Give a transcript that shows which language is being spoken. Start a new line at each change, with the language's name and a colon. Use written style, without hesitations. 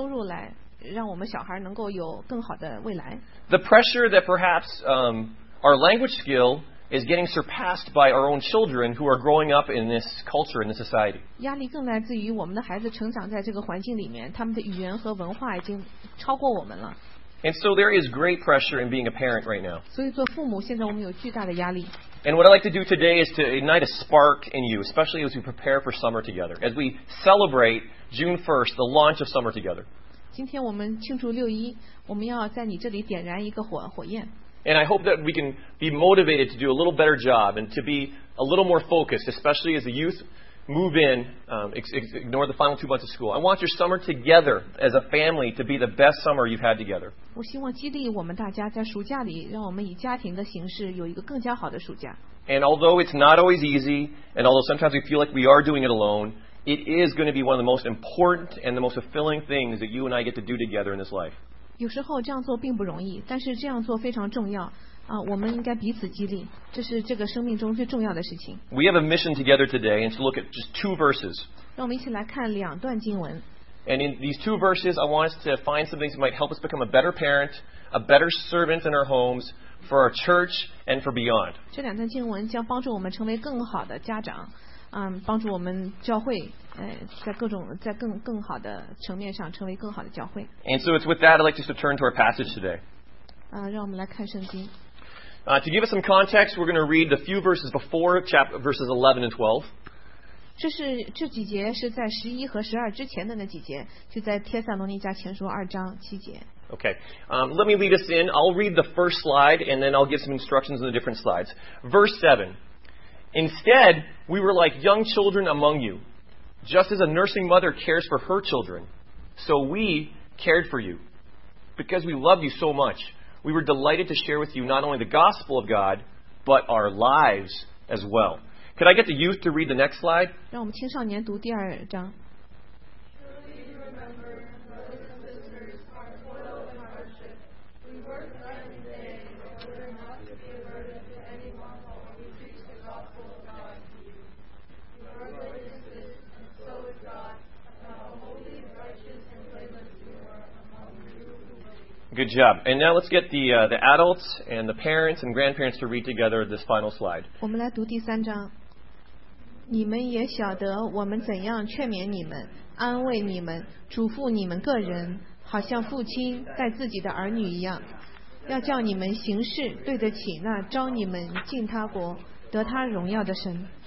Chinese: 我们不仅有压力要从外面带回收入来，让我们小孩能够有更好的未来。
English: The pressure that perhaps our language skill is getting surpassed by our own children who are growing up in this culture, in this society.
Chinese: 压力更来自于我们的孩子成长在这个环境里面，他们的语言和文化已经超过我们了。
English: And so there is great pressure in being a parent right now.
Chinese: 所以做父母，现在我们有巨大的压力。
English: And what I'd like to do today is to ignite a spark in you, especially as we prepare for summer together, as we celebrate June 1st, the launch of summer together.
Chinese: 今天我们庆祝六一，我们要在你这里点燃一个火焰。
English: And I hope that we can be motivated to do a little better job and to be a little more focused, especially as the youth move in, ignore the final 2 months of school. I want your summer together as a family to be the best summer you've had together.
Chinese: 我希望激励我们大家在暑假里，让我们以家庭的形式有一个更加好的暑假。
English: And although it's not always easy, and although sometimes we feel like we are doing it alone, it is going to be one of the most important and the most fulfilling things that you and I get to do together in this life.
Chinese: 有时候这样做并不容易，但是这样做非常重要。我们应该彼此激励，这是这个生命中最重要的事情。
English: We have a mission together today, and to look at just two verses.
Chinese: 让我们一起来看两段经文。
English: And in these two verses, I want us to find some things that might help us become a better parent, a better servant in our homes, for our church, and for beyond.
Chinese: 这两段经文将帮助我们成为更好的家长，帮助我们教会，在各种在更好的层面上成为更好的教会。
English: And so it's with that I'd like just to turn to our passage today.
Chinese: 让我们来看圣经。
English: To give us some context, we're going to read the few verses before verses 11 and 12.
Chinese: 这几节是在11和12之前的那几节，就在帖撒罗尼迦前书二章七节。
English: Okay, let me lead us in. I'll read the first slide, and then I'll give some instructions on the different slides. Verse 7. Instead, we were like young children among you. Just as a nursing mother cares for her children, so we cared for you. Because we love you so much. We were delighted to share with you not only the gospel of God, but our lives as well. Could I get the youth to read the next slide?
Chinese: 让我们青少年读第二章。
English: Good job. And now let's get the adults and the parents and grandparents to read together this final slide.
Chinese: 我们来读第三章。你们也晓得我们怎样劝勉你们、安慰你们、嘱咐你们个人，好像父亲待自己的儿女一样，要叫你们行事对得起那招你们进他国、得他荣耀的神。